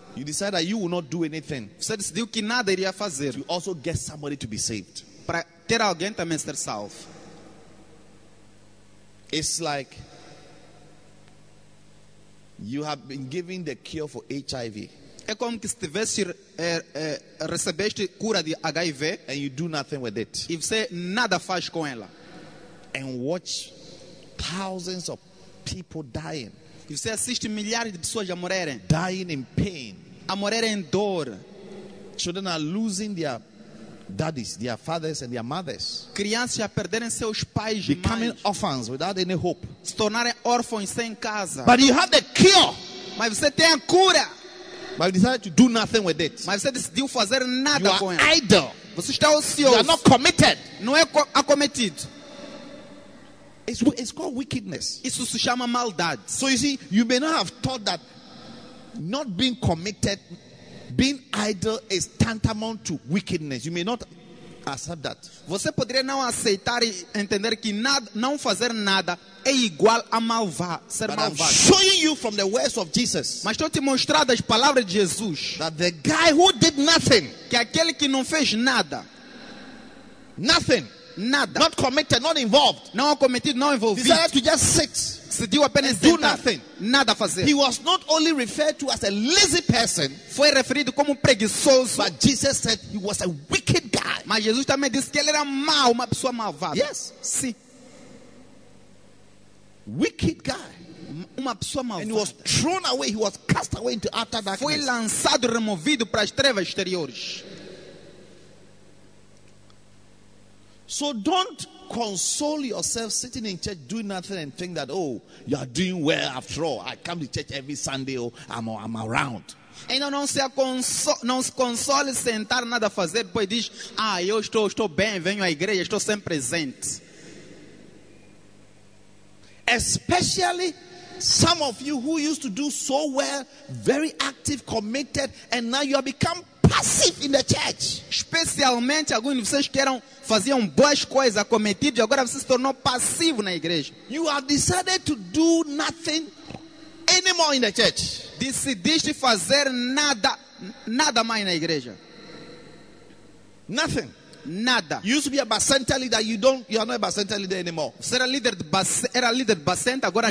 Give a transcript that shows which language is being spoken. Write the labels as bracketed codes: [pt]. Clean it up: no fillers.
[en] you decided that you will not do anything. [pt] Você decidiu que nada iria fazer. [en] To also get somebody to be saved. [pt] Para ter alguém também ser salvo. [en] It's like you have been given the cure for HIV. [pt] É como que se tivesse recebeste cura de HIV [en] and you do nothing with it. [pt] E você nada faz com ela. [en] And watch thousands of people dying. [pt] E você assiste milhares de pessoas a morrerem. [en] Dying in pain. [pt] A morrerem em dor. [en] Children are losing their daddies, their fathers and their mothers. [pt] Crianças a perderem seus pais e mães. [en] Becoming orphans without any hope. [pt] Se tornarem órfãos sem casa. [en] But you have the cure. [pt] Mas você tem a cura. [en] But you decided to do nothing with it. [pt] Mas você decidiu fazer nada com ele. [en] You are idle. [pt] Você está ocioso. [en] You are not committed. [pt] Não é acometido. [en] It's called wickedness. [pt] Isso se chama maldade. [en] So you see, you may not have thought that not being committed, being idle is tantamount to wickedness. You may not accept that. [pt] Você poderia não aceitar e entender que nada, não fazer nada é igual a ser [en] but [pt] malvado. [en] I'm showing you from the words of Jesus. [pt] Mas estou te mostrando as palavras de Jesus. [en] That the guy who did nothing, [pt] que aquele que não fez nada, [en] nothing, [pt] nada, [en] not committed, not involved, [pt] não cometido, não envolvido, [en] decided to just sit, [pt] se deu apenas [en] do nothing, [pt] nada fazer. [en] He was not only referred to as a lazy person, [pt] foi referido como preguiçoso, [en] but Jesus said he was a wicked guy. [pt] Mas Jesus também disse que ele era mau, uma pessoa malvada. [en] Yes, [pt] sim. [en] Wicked guy. [pt] Uma pessoa malvada. [en] And he was thrown away, he was cast away into outer darkness. [pt] Foi lançado, removido para as trevas exteriores. [en] So don't console yourself sitting in church doing nothing and think that, oh, you are doing well after all. I come to church every Sunday, oh, I'm around. [pt] Então não se console sentar nada a fazer, depois diz, ah, eu estou bem, venho à igreja, estou sempre presente. [en] Especially some of you who used to do so well, very active, committed, and now you have become passive in the church. [pt] Especialmente alguns de vocês que faziam boas coisas, acometidos, e agora você se tornou passivo na igreja. [en] You have decided to do nothing anymore in the church. [pt] Decidiste fazer nada mais na igreja. [en] Nothing. [pt] Nada. [en] You used to be a Bacenta leader. You are not a Bacenta leader anymore. [pt] Você era líder de Bacenta, agora